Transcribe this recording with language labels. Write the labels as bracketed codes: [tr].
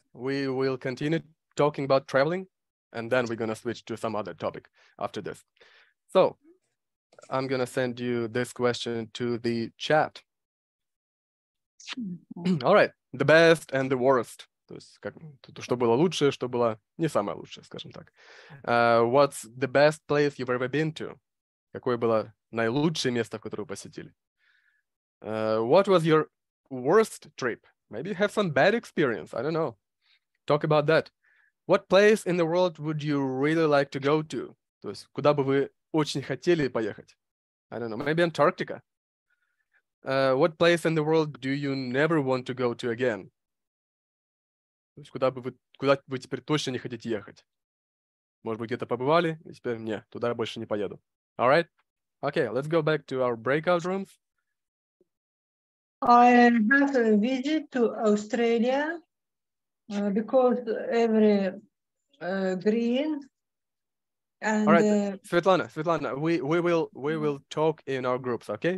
[en] We will continue talking about traveling, and then we're going to switch to some other topic after this. So I'm going to send you this question to the chat. All right, the best and the worst. [ru] То есть, как, что было лучше, что было не самое лучшее, скажем так. [en] What's the best place you've ever been to? [ru] Какое было наилучшее место, в которое вы посетили? [en] What was your worst trip? Maybe you have some bad experience. I don't know. Talk about that. What place in the world would you really like to go to? [ru] То есть, куда бы вы очень хотели поехать? [en] I don't know. Maybe Antarctica. What place in the world do you never want to go to again? [ru] То есть, куда бы вы теперь точно не хотите ехать? Может быть, где-то побывали, и теперь нет, туда я больше не поеду. [en] All right. Okay, let's go back to our breakout rooms. I have a visit to Australia because every green and All right, Svetlana, we will talk in our groups, okay?